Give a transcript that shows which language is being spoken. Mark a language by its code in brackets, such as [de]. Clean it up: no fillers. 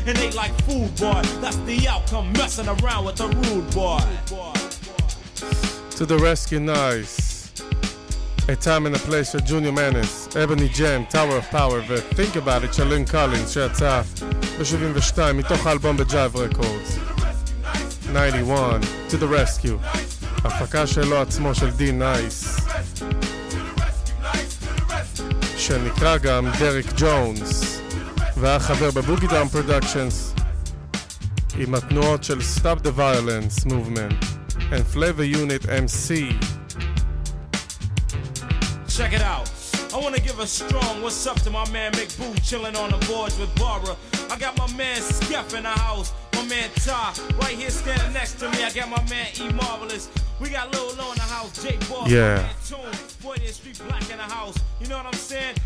[en] And they like food, boy. That's the outcome, messing around with the rude boy. To the rescue, nice. [he] A Time and a Place for Junior Menace, Ebony Jam, Tower of Power, and Think About It, Chalene Collins, שיצא ב-72 מתוך האלבום ב-Jive Records. 91, To The Rescue, הפקה שלו עצמו של D Nice, שנקרא גם דריק ג'ונס, והיה חבר בבוגי דאון פרודקשנס עם התנועות של Stop The Violence Movement and Flavor Unit MC. [en] Check it out. I wanna give a strong what's up to my man Mick Boo, chillin' on the boards with Barbara. I got my man Skeff in the house, my man Ty, right here standing next to me. I got my man E Marvelous. We got Lil Lo in the house, J Boss, yeah. My man Tune, Boy the Street Black in the house. You know what I'm saying?